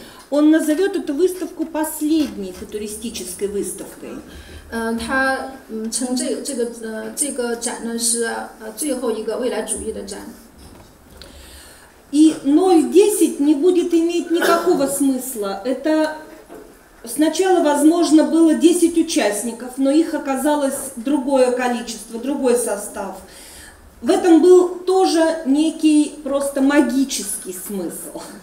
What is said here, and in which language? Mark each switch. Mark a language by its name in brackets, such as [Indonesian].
[Russian] Он назовет эту выставку последней футуристической выставкой. [Chinese] 他称这个展呢是最后一个未来主义的展。 [Russian] И 0-10 не будет иметь никакого смысла. Это сначала, возможно, было 10 участников, но их оказалось другое количество, другой состав. В этом был тоже некий просто магический смысл.